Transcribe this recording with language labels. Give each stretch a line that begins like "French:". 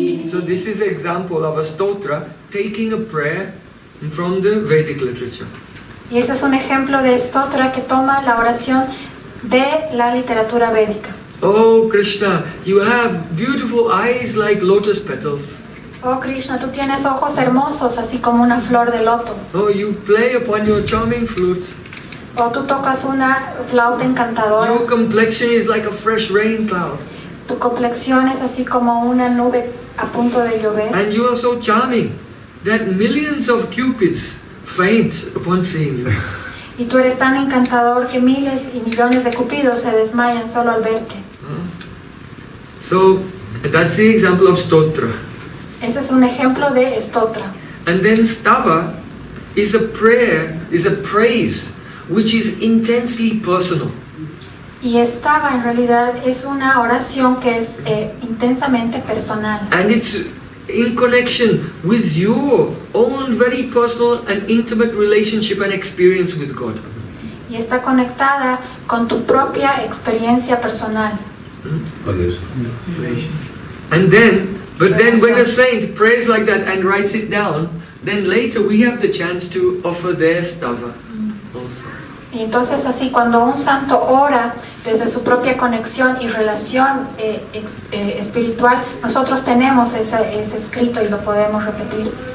English: So this is an example of a stotra taking a prayer from the Vedic literature.
Spanish: Y ese es un ejemplo de stotra que toma la oración de la literatura védica.
English: Oh Krishna, you have beautiful eyes like lotus petals.
Spanish: Oh Krishna, tú tienes ojos hermosos así como una flor de loto.
English: Oh, you play upon your charming flute.
Spanish: Oh, tú tocas una flauta encantadora.
English: Your complexion is like a fresh rain cloud.
Spanish: Tu complexión es así como una nube a punto de llover.
English: And you are so charming that millions of cupids faint upon seeing you.
Spanish: Y tú eres tan encantador que miles y millones de cupidos se desmayan solo al verte.
English: So that's the example of stotra.
Spanish: Ese es un ejemplo de stotra.
English: And then stava is a prayer, is a praise which is intensely personal.
Spanish: Y stava en realidad es una oración que es intensamente personal.
English: And it's in connection with your own very personal and intimate relationship and experience with God.
Spanish: Y está conectada con tu propia experiencia personal.
English: And then, but then when a saint prays like that and writes it down, then later we have the chance to offer their stava also.
Spanish: Y entonces así cuando un santo ora desde su propia conexión y relación espiritual, nosotros tenemos ese escrito y lo podemos repetir.